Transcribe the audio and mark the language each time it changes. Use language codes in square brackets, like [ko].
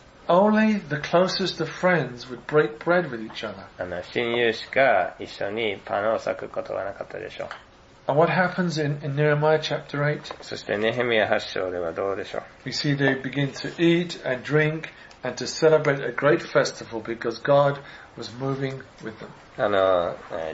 [en] Only the closest of friends would break bread with each other. [ja] 親友しか一緒にパンを裂くことはなかったでしょう。 [en] And what happens in Nehemiah chapter 8? [ja] そしてネヘミヤ8章ではどうでしょう。 [en] We see they begin to eat and drink and to celebrate a great festival because God was moving with them.